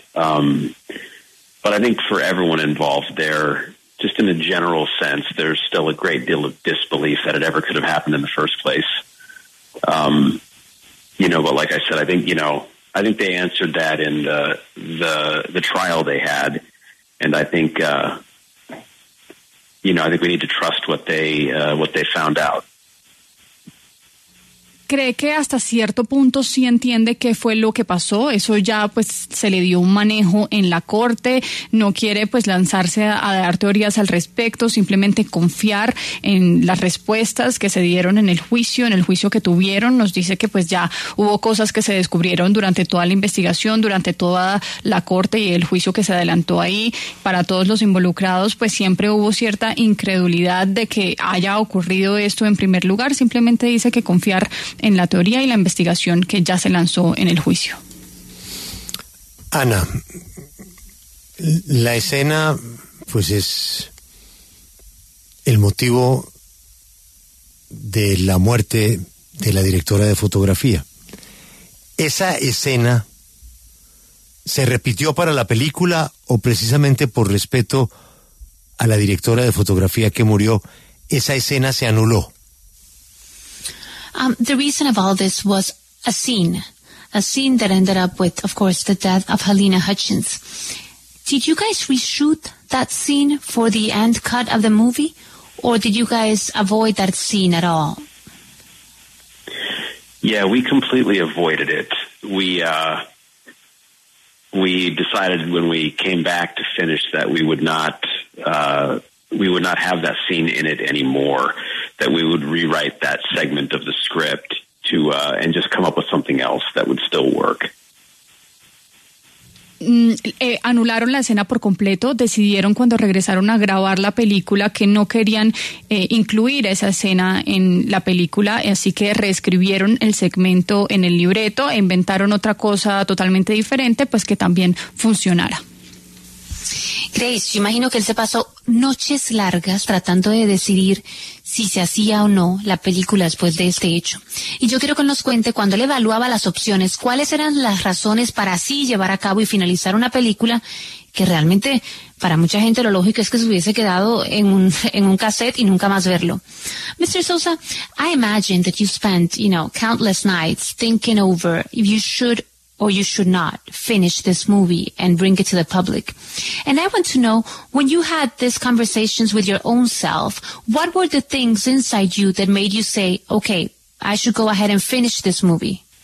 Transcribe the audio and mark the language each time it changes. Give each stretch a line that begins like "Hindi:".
English: But I think for everyone involved there, just in a general sense, there's still a great deal of disbelief that it ever could have happened in the first place. But like I said, I think they answered that in the trial they had. And I think, I think we need to trust what they found out.
Spanish: ¿Cree que hasta cierto punto sí entiende qué fue lo que pasó? Eso ya pues se le dio un manejo en la corte. No quiere pues lanzarse a dar teorías al respecto, simplemente confiar en las respuestas que se dieron en el juicio que tuvieron. Nos dice que pues ya hubo cosas que se descubrieron durante toda la investigación, durante toda la corte y el juicio que se adelantó ahí. Para todos los involucrados pues siempre hubo cierta incredulidad de que haya ocurrido esto en primer lugar. Simplemente dice que confiar en la teoría y la investigación que ya se lanzó en el juicio. Ana, la escena pues es el motivo de la muerte de la directora de fotografía. ¿Esa escena se repitió para la película o precisamente por respeto a la directora de fotografía que murió, esa escena se anuló?
English: The reason of all this was a scene that ended up with, of course, the death of Alina Hutchins. Did you guys reshoot that scene for the end cut of the movie, Or did you guys avoid that scene at all? Yeah, we completely avoided it. We decided when we came back to finish that we would not have that scene in it anymore, that we would rewrite that segment of the script and just come up with something else that would still work.
Spanish: Anularon la escena por completo, decidieron cuando regresaron a grabar la película que no querían incluir esa escena en la película, así que reescribieron el segmento en el libreto e inventaron otra cosa totalmente diferente, pues que también funcionara. Grace, yo imagino que él se pasó noches largas tratando de decidir si se hacía o no la película después de este hecho. Y yo quiero que nos cuente, cuando él evaluaba las opciones, ¿cuáles eran las razones para así llevar a cabo y finalizar una película que realmente para mucha gente lo lógico es que se hubiese quedado en un cassette y nunca más verlo?
English: Mr. Sosa, I imagine that you spent, you know, countless nights thinking over if you should or you should not finish this movie and bring it to the public. And I want to know, when you had these conversations with your own self, what were the things inside you that made you say, okay, I should go ahead and finish this movie?